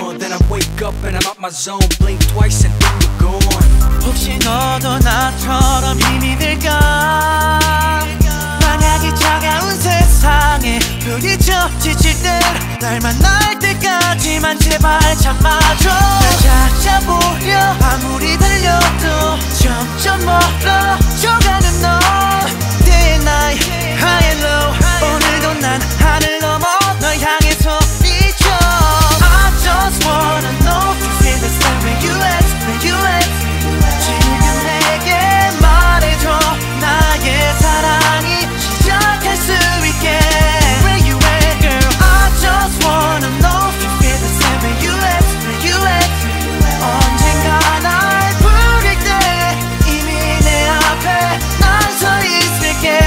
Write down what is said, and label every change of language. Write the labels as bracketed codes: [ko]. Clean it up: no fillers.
[en] Then I wake up and I'm out my zone. Blink twice and then you're gone. [ko] 혹시 너도 나처럼 힘이 들까. 만약에 차가운 세상에 불이 젖히칠 땐 날 만날 때까지만 제발 참아줘. 날 찾아보려 아무리 달려도 점점 멀어져가는 너. [en] Day and night, high and low. [ko] 오늘도 난 하늘 넘어 널 향해 소리쳐. [en] I just wanna know if you feel the same way you at, where you at. [ko] 지금 내게 말해줘. 나의 사랑이 시작할 수 있게. [en] Where you at, girl? I just wanna know if you feel the same way you at, where you at. [ko] 언젠가 날 부를 때 이미 내 앞에 난 서 있을게.